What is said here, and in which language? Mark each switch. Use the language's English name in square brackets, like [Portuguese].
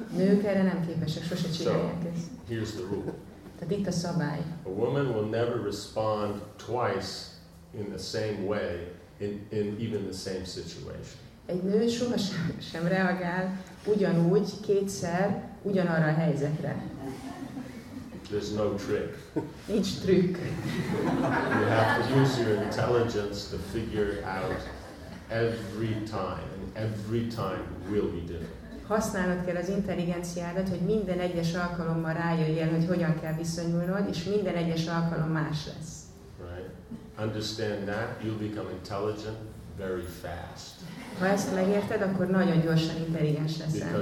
[Hungarian] Nők erre nem képesek, sose csinálják ezt. [English] So, here's the rule. [Hungarian] Tehát itt a szabály. [English] A woman will never respond twice in the same way in even the same situation. [Hungarian] Egy nő sohasem reagál ugyanúgy kétszer ugyanarra a helyzetre. [English] There's no trick. [Hungarian] Nincs trükk. [English] You have to use your intelligence to figure out every time, and every time will be different. [Hungarian] Használnod kell az intelligenciádat, hogy minden egyes alkalommal rájöjjél, hogy hogyan kell viszonyulnod, és minden egyes alkalom más lesz. [English] Right. understand that, you'll become intelligent very fast. [Hungarian] Ha ezt megérted, akkor nagyon gyorsan intelligens leszel.